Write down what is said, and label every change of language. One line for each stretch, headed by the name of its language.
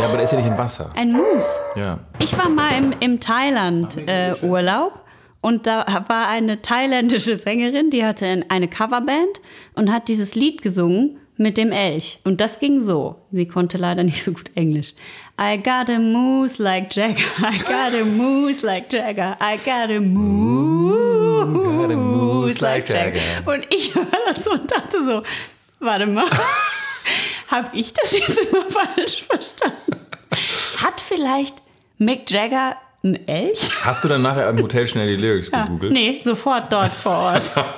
German: Ja, aber der ist ja nicht im Wasser. Ein Moose. Ja. Ich war mal im Thailand Urlaub und da war eine thailändische Sängerin, die hatte eine Coverband und hat dieses Lied gesungen mit dem Elch. Und das ging so. Sie konnte leider nicht so gut Englisch.
English: I got a moose like Jagger. I got a moose like Jagger. I got a moose like Jagger.
German: Und ich höre das so und dachte so, warte mal, hab ich das jetzt immer falsch verstanden? Hat vielleicht Mick Jagger ein Elch? Hast du dann nachher im Hotel schnell die Lyrics gegoogelt? Nee, sofort dort vor Ort.